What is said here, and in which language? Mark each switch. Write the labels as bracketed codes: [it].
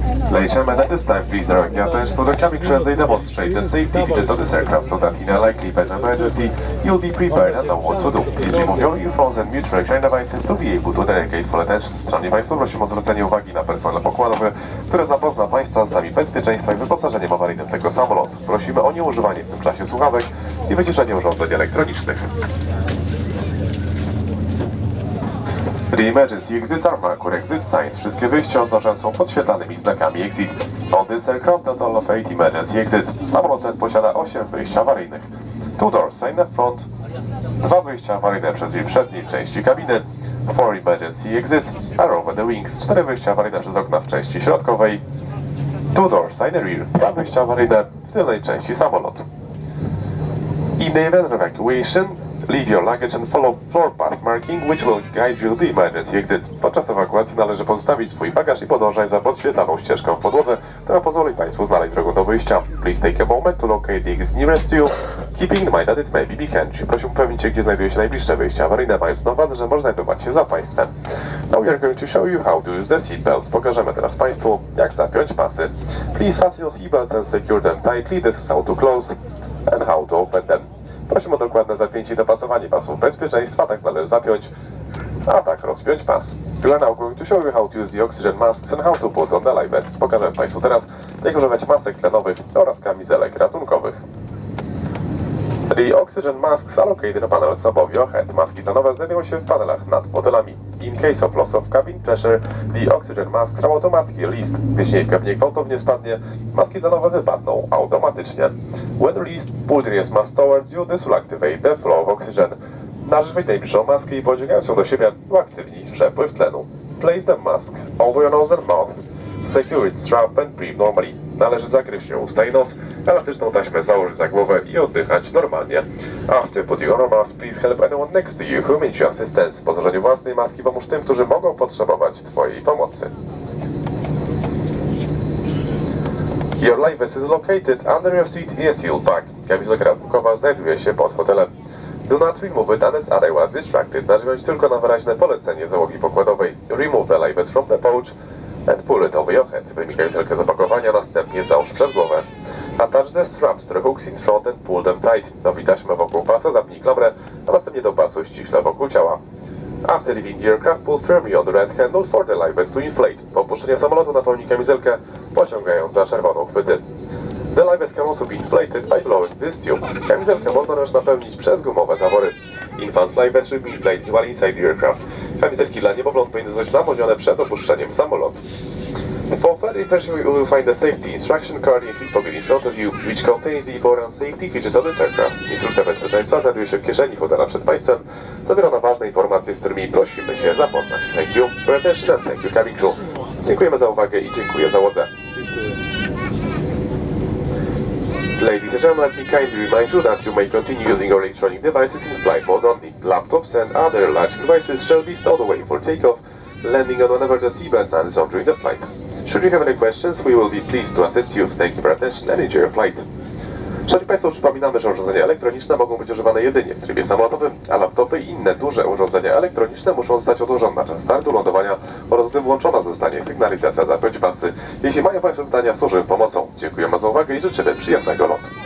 [en] Later, man, at this time, please direct your attention to the coming trends and demonstrate the safety features of this aircraft so that in a likely event emergency, you'll be prepared and know what to do. Please remove your earphones and mute your devices to be able to delegate full attention. [pl] Szanowni Państwo, prosimy o zwrócenie uwagi na personel pokładowy, który zapozna Państwa z danymi bezpieczeństwa i wyposażeniem awaryjnym tego samolotu. Prosimy o nieużywanie w tym czasie słuchawek i wyciszenie urządzeń elektronicznych. [en] The emergency exits are marked with exit signs. [pl] Wszystkie wyjścia oznaczone są podświetlanymi znakami exit. [en] On this aircraft has a total of 8 emergency exits. [pl] Samolot ten posiada 8 wyjść awaryjnych. [en] 2 doors in the front. [pl] 2 wyjścia awaryjne przez drzwi przedniej części kabiny. [en] 4 emergency exits are over the wings. [pl] 4 wyjścia awaryjne przez okna w części środkowej. [en] 2 doors in the rear. [pl] 2 wyjścia awaryjne w tylnej części samolotu. [en] In the event of evacuation, leave your luggage and follow floor path marking, which will guide you to the emergency exits. [pl] Podczas ewakuacji należy pozostawić swój bagaż i podążać za podświetlaną ścieżką w podłodze, która pozwoli Państwu znaleźć drogę do wyjścia. [en] Please take a moment to locate the exit nearest to you, keeping in mind that it may be behind you. [pl] Proszę upewnić się, gdzie znajduje się najbliższe wyjście awaryjne, mając na uwadze, że może znajdować się za Państwem. [en] Now we are going to show you how to use the seat belts. [pl] Pokażemy teraz Państwu, jak zapiąć pasy. [en] Please fasten your seat belts and secure them tightly. This is how to close and how to open them. [pl] Prosimy o dokładne zapięcie i dopasowanie pasów bezpieczeństwa, tak należy zapiąć, a tak rozpiąć pas. [en] We are now going to show you how to use the oxygen masks and how to put on the life vests. [pl] Pokażę Państwu teraz, jak używać masek tlenowych oraz kamizelek ratunkowych. [en] The oxygen masks are located in a panel above your head. [pl] Maski tlenowe znajdują się w panelach nad fotelami. [en] In case of loss of cabin pressure, the oxygen masks are automatically released. [pl] Jeśli w kabinie gwałtownie spadnie, maski tlenowe wypadną automatycznie. [en] When released, pull the mask towards you, this will activate the flow of oxygen. [pl] Nażywaj najbliższą maskę i podźwigając ją do siebie, uaktywnij przepływ tlenu. [en] Place the mask over your nose and mouth. Secure its strap and breathe normally. [pl] Należy zakryć się usta i nos, elastyczną taśmę założyć za głowę i oddychać normalnie. [en] After putting on a mask, please help anyone next to you who needs your assistance. [pl] Po założeniu własnej maski pomóż tym, którzy mogą potrzebować Twojej pomocy. [en] Your life vest is located under your seat in a sealed bag. [pl] Kamizelka ratunkowa znajduje się pod fotelem. [en] Do not remove it unless otherwise instructed. [pl] Nażywaj tylko na wyraźne polecenie załogi pokładowej. [en] Remove the life vest from the pouch and pull it over your head. [pl] Wyjmij kamizelkę z opakowania, następnie załóż przez głowę. [en] Attach the straps to the hooks in front and pull them tight. [pl] Zawij taśmę wokół pasa, zapnij klamrę, a następnie do pasu ściśle wokół ciała. [en] After leaving the aircraft, pull firmly on the red handle for the life vest to inflate. [pl] Po opuszczeniu samolotu napełnij kamizelkę, pociągając za czerwoną chwytę. [en] The life vest can also be inflated by blowing this tube. [pl] Kamizelkę można też napełnić przez gumowe zawory. [en] Infant life vest should be inflated while inside the aircraft. [pl] Kamizelki dla niemowląt powinny zostać namodzione przed opuszczeniem samolotu. [en] For further information, you will find the safety instruction card in seat pocket in front of you, which contains the important safety features of the aircraft. [pl] Instrukcja bezpieczeństwa znajduje się w kieszeni fotela przed Państwem. Zawiera ona ważne informacje, z którymi prosimy się zapoznać. [en] Thank you for attention and thank you, cabin crew. [pl] Dziękujemy za uwagę i dziękuję załodze. [en] Ladies and gentlemen, let me kindly remind you that you may continue using your electronic devices in flight mode only. Laptops and other large devices shall be stowed away for takeoff, landing on whatever the seatbelt sign is on during the flight. Should you have any questions, we will be pleased to assist you. Thank you for attention and enjoy your flight. [pl] Szanowni Państwo, przypominamy, że urządzenia elektroniczne mogą być używane jedynie w trybie samolotowym, a laptopy i inne duże urządzenia elektroniczne muszą zostać odłożone na czas startu, lądowania oraz gdy włączona zostanie sygnalizacja zapiąć pasy. Jeśli mają Państwo pytania, służymy pomocą. Dziękujemy za uwagę i życzymy przyjemnego lotu.